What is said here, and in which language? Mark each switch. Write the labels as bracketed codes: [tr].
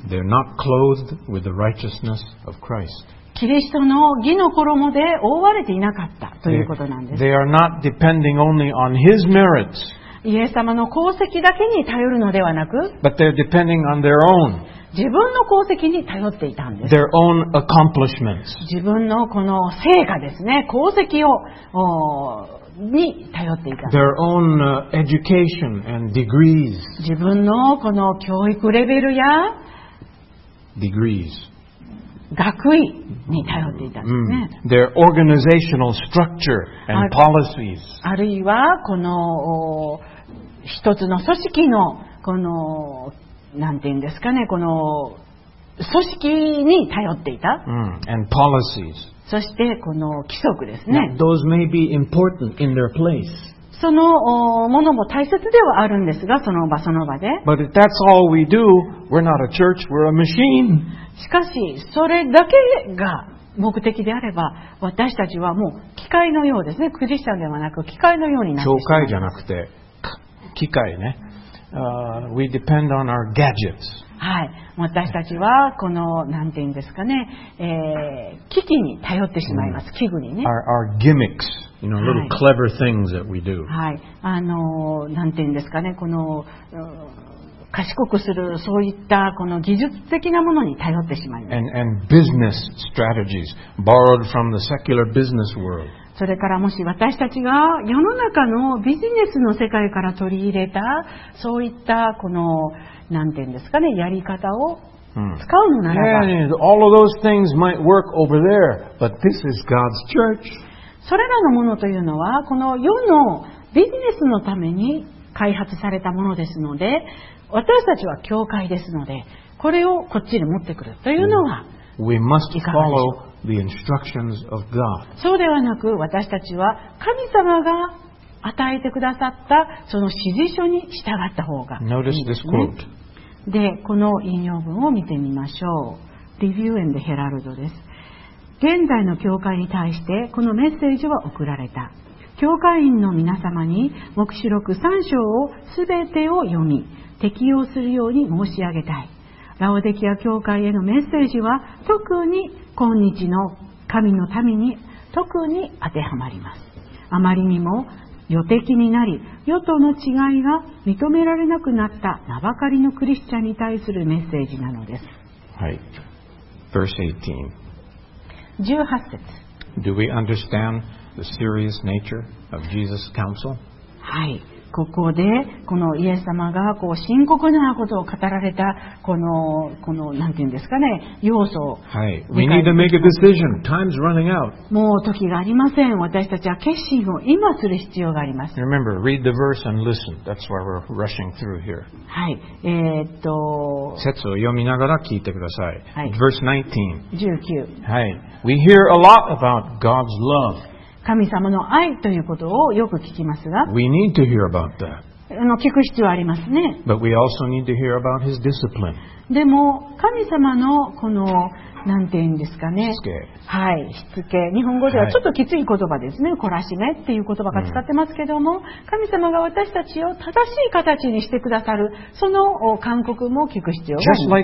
[ja] キリストの義の衣で覆われていなかったということなんです。 [en] they are not depending only on his merits, [ja] イエス様の功績だけに頼るのではなく、 [en] but they're depending on their own, [ja] 自分の功績に頼っていたんです。 [en] their own accomplishments. [ja] 自分のこの成果ですね、功績をに頼っていた。 [en] Their own, education and degrees. [ja] 自分のこの教育レベルや [en] degrees. [ja] 学位に頼っていたんですね。 [en] Their organizational structure and policies. [ja] あるいはこの一つの組織のこのなんていうんですかね、この組織に頼っていた、 [en] and policies. [ja] そしてこの規則ですね。 [en] Now, those may be important in their place. [ja] そのものも大切ではあるんですが、その場その場で。 [en] But if that's all we do, we're not a church, we're a machine. [ja] しかしそれだけが目的であれば、私たちはもう機械のようですね。クリスチャンではなく機械のようになってしまう。教会じゃなくて機械ね。 [en] We depend on our gadgets. [ja] はい、私たちはこのなんていうんですかね、機器に頼ってしまいます。器具にね。 [en] Our gimmicks, you know, little clever things that we do. [ja] はい、なんていうんですかね、この賢くするそういったこの技術的なものに頼ってしまいます。 [en] And business strategies borrowed from the secular business world. [ja] それからもし私たちが世の中のビジネスの世界から取り入れたそういったこの何て言うんですかね、やり方を使うのならば、 [en] all of those things might work over there, but this is God's church. [ja] それらのものというのはこの世のビジネスのために開発されたものですので、私たちは教会ですので、これをこっちに持ってくるというのはいかがでしょう。 [en] The instructions of God. [ja] そうではなく、私たちは神様が与えてくださったその指示書に従った方がいい、ね。 [en] Notice this quote. [ja] で、この引用文を見てみましょう。リビュー&ヘラルドです。現在の教会に対してこのメッセージは送られた。教会員の皆様に黙示録3章を全てを読み適用するように申し上げたい。ラオデキア教会へのメッセージは特に今日の神の民に特に当てはまります。あまりにも予的になり、与との違いが認められなくなった名ばかりのクリスチャンに対するメッセージなのです。 [en] はい。Verse 18. [ja] 18節。 [en] Do we understand the serious nature of Jesus' counsel? [ja] はい。ここでこのイエス様がこう深刻なことを語られたこのなんていうんですかね、要素。 [en] はい。We need to make a decision. Time's running out. [ja] もう時がありません。私たちは決心を今する必要があります。 [en] Remember, read the verse and listen. That's why we're rushing through here. [ja] はい。節を読みながら聞いてください。 [en] はい。Verse 19. 19. はい。We hear a lot about God's love. [ja] 神様の愛ということをよく聞きますが、 [en] We need to hear about that. [ja] 聞く必要ありますね。 [en] But we also need to hear about his discipline. [ja] でも神様のこのなんていうんですかね、しつけ、はい、しつけ、日本語ではちょっときつい言葉ですね、はい、懲らしめっていう言葉が使ってますけども、神様が私たちを正しい形にしてくださる、その勧告も聞く必要があります。